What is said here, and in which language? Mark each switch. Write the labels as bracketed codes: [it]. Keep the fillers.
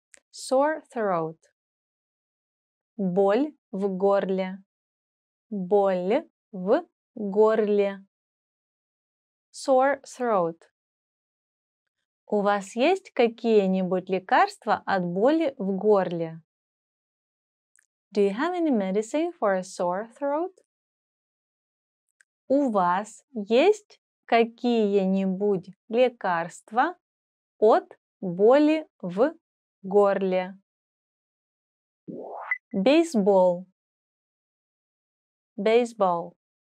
[en] Sore throat. [ru] Боль в горле. Боль в горле. [en] Sore throat. [ru] У вас есть какие-нибудь лекарства от боли в горле? [en] Do you have any medicine for a sore throat? [ru] У вас есть какие-нибудь лекарства от боли в горле? Beisebol. Beisebol.